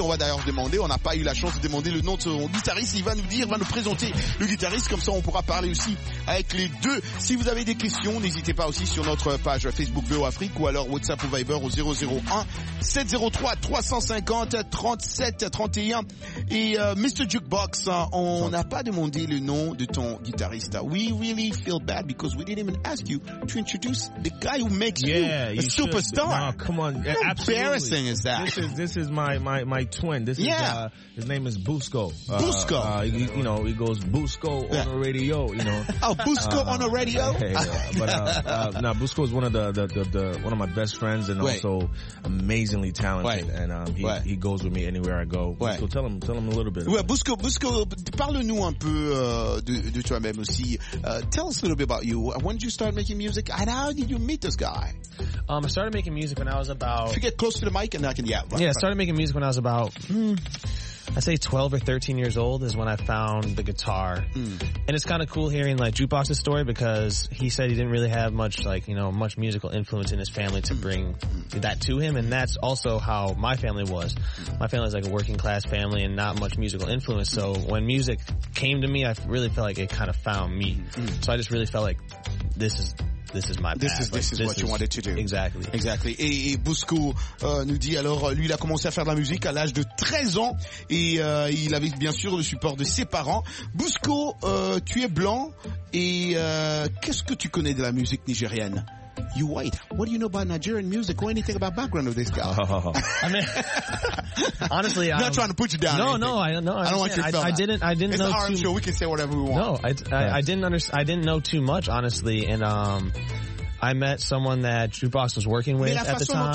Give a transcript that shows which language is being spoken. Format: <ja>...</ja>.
<fr>On va d'ailleurs demander, on n'a pas eu la chance de demander le nom de son guitariste, il va nous dire, va nous présenter le guitariste, comme ça on pourra parler aussi avec les deux. Si vous avez des questions, n'hésitez pas aussi sur notre page Facebook VO Afrique ou alors WhatsApp ou Viber au 001 703 350 37 31 et Mr. Jukebox, on n'a pas demandé le nom de ton guitariste.</fr> <en>We really feel bad because we didn't even ask you to introduce the guy who makes you a superstar. No, come on. How embarrassing is that? This is my twin. This his name is Busco. Busco. You know, he goes Busco on the radio, you know. Oh, Busco on the radio? Okay, but Busco is one of one of my best friends and also amazingly talented. Wait. And he goes with me anywhere I go. Wait. So tell him a little bit.</en> <fr>Well, Busco, parle-nous un peu de toi-même aussi.</fr> <en>Tell us a little bit about you. When did you start making music and how did you meet this guy? I started making music when I was about... If you get close to the mic and I can... Yeah, right. Yeah, I started making music when I was about... I'd say 12 or 13 years old is when I found the guitar. And it's kind of cool hearing like Jukebox's story because he said he didn't really have much like, you know, much musical influence in his family to bring that to him. And that's also how my family was. My family is like a working class family and not much musical influence. So when music came to me, I really felt like it kind of found me. So I just really felt like this is my path. This is what you wanted to do. Exactly. Exactly.</en> <fr>Et Busco nous dit alors, lui, il a commencé à faire de la musique à l'âge de 13 ans et il avait bien sûr le support de ses parents. Busco, tu es blanc et qu'est-ce que tu connais de la musique nigérienne?</fr> <en>You white. What do you know about Nigerian music or anything about background of this guy? I mean, honestly, I'm not trying to put you down. I didn't know. It's an RM show. We can say whatever we want. No, I didn't know too much, honestly, and I met someone that Jukebox was working with at the time.</en>